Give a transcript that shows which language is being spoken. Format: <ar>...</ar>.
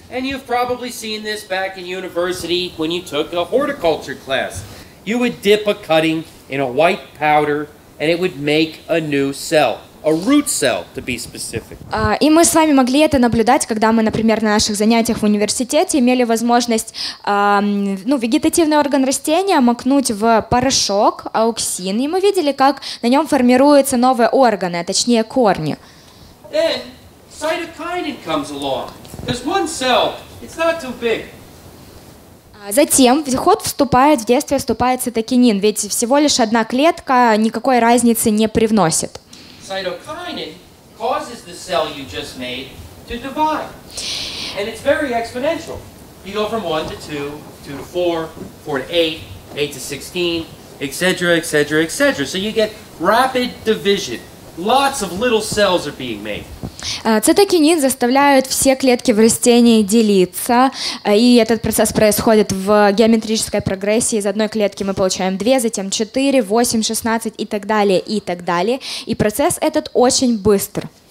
<en>And you've probably seen this back in university when you took a horticulture class. You would dip a cutting in a white powder, and it would make a new cell. A root cell, to be specific.</en> <ru>И мы с вами могли это наблюдать, когда мы, например, на наших занятиях в университете имели возможность вегетативный орган растения макнуть в порошок, ауксин, и мы видели, как на нем формируются новые органы, а точнее корни.</ru> <en>Then, cytokinin comes along. There's one cell, it's not too big.</en> <ru>Затем в действие вступает цитокинин, ведь всего лишь одна клетка никакой разницы не привносит.</ru> <en>Cytokinin causes the cell you just made to divide. And it's very exponential. You go from 1 to 2, 2 to 4, 4 to 8, 8 to 16, etc., etc., etc. So you get rapid division. Lots of little cells are being made.</en> <ru>Цитокинин заставляет все клетки в растении делиться, и этот процесс происходит в геометрической прогрессии. Из одной клетки мы получаем 2, затем 4, 8, 16 и так далее, и так далее. И процесс этот очень быстр.</ru>